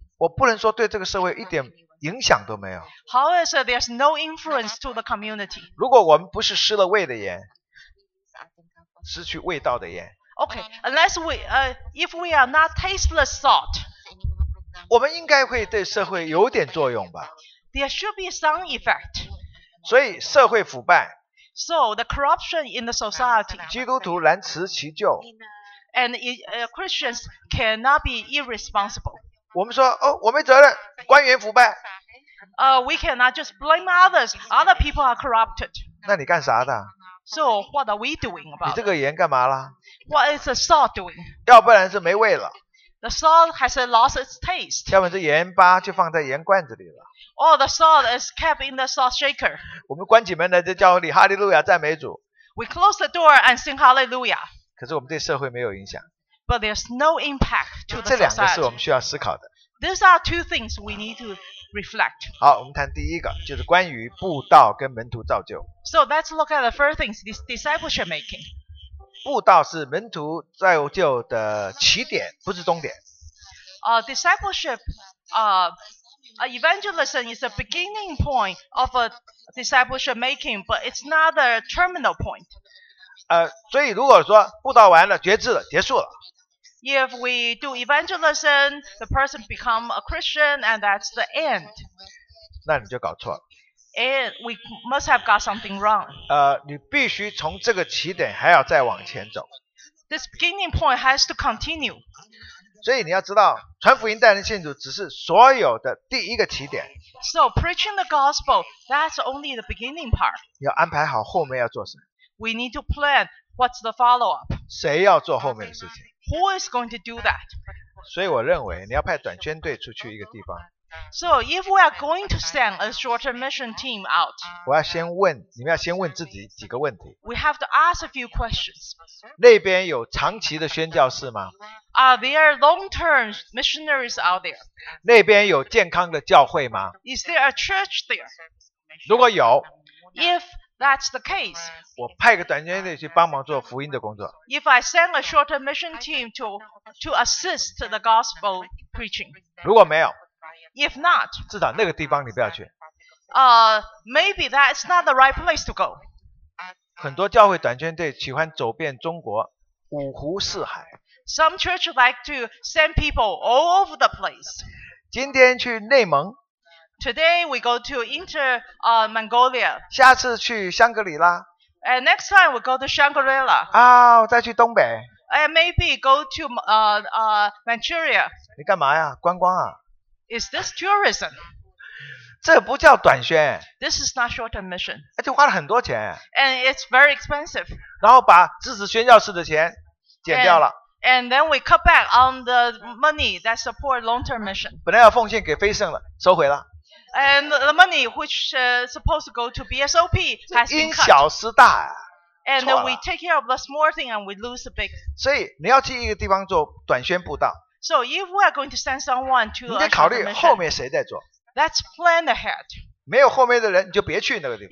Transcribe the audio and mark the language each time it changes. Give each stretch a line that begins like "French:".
Chinese: 我不能说对这个社会一点影响都没有。
English: How is it there's no influence to the community?
Chinese: 如果我们不是失了味的盐，失去味道的盐。
English: Okay, unless we, if we are not tasteless salt.
Chinese: 我们应该会对社会有点作用吧。
English: There should be some effect.
Chinese: 所以社会腐败。
English: So the corruption in the society.
Chinese: 基督徒难辞其咎。
English: And Christians cannot be irresponsible.
Chinese: 我们说哦，我没责任，官员腐败。
English: We cannot just blame others. Other people are corrupted.
Chinese: 那你干啥的？
English: So what are we doing about?
Chinese: 你这个盐干嘛了？
English: What is the salt doing?
Chinese: 要不然是没味了。
English: The salt has lost its taste.
Chinese: 要不然这盐巴就放在盐罐子里了。
English: Oh, the salt is kept in the salt shaker.
Chinese: 我们关起门来就叫你哈利路亚赞美主。
English: We close the door and sing hallelujah.
Chinese: 可是我们对社会没有影响。
English: But there's no impact to the society.
Chinese: 这两个是我们需要思考的。
English: These are two things we need to reflect.
Chinese: 好，我们谈第一个，就是关于布道跟门徒造就。
English: So let's look at the first things, this discipleship making.
Chinese: 布道是门徒造就的起点，不是终点。
English: Discipleship, evangelism is a beginning point of a discipleship making, but it's not a terminal point.
Chinese: 所以如果说布道完了，觉知了，结束了。
English: If we do evangelism, the person become a Christian, and that's the end.
Chinese: 那你就搞错了。
English: And we must have got something wrong.
Chinese: 你必须从这个起点还要再往前走。
English: This beginning point has to continue.
Chinese: 所以你要知道，传福音带人信主只是所有的第一个起点。
English: So preaching the gospel, that's only the beginning part.
Chinese: 要安排好后面要做什么。
English: We need to plan what's the follow up.
Chinese: 谁要做后面的事情
English: ？Who is going to do that?
Chinese: 所以我认为你要派短宣队出去一个地方。
English: So if we are going to send a shorter mission team out,
Chinese: 我要先问，你们要先问自己几个问题。
English: We have to ask a few questions.
Chinese: 那边有长期的宣教士吗？
English: Are there long-term missionaries out there?
Chinese: 那边有健康的教会吗
English: ？Is there a church there?
Chinese: 如果有
English: ，If that's the case,
Chinese: 我派个短宣队去帮忙做福音的工作。
English: If I send a shorter mission team to assist the gospel preaching,
Chinese: 如果没有。
English: If not,
Chinese: 至少那个地方你不要去。
English: Maybe that's not the right place to go.
Chinese: 很多教会短宣队喜欢走遍中国五湖四海。
English: Some churches like to send people all over the place.
Chinese: 今天去内蒙。
English: Today we go to Mongolia.
Chinese: 下次去香格里拉。
English: And next time we go to Shangri-La.
Chinese: 啊，再去东北。
English: And maybe go to Manchuria.
Chinese: 你干嘛呀？观光啊？
English: Is this tourism?
Chinese: 这不叫短宣。
English: This is not short term mission.
Chinese: 而且花了很多钱。
English: And it's very expensive.
Chinese: 然后把支持宣教士的钱减掉了。
English: And then we cut back on the money that support long term mission.
Chinese: 本来要奉献给非圣了，收回了。
English: And the money which is supposed to go to BSOP has been cut.
Chinese: 因小失大啊。
English: And then we take care of the small thing and we lose the big.
Chinese: 所以你要去一个地方做短宣布道。
English: So if we are going to send someone to,
Chinese: 你得考虑后面谁在做。
English: Let's plan ahead.
Chinese: 没有后面的人，你就别去那个地方。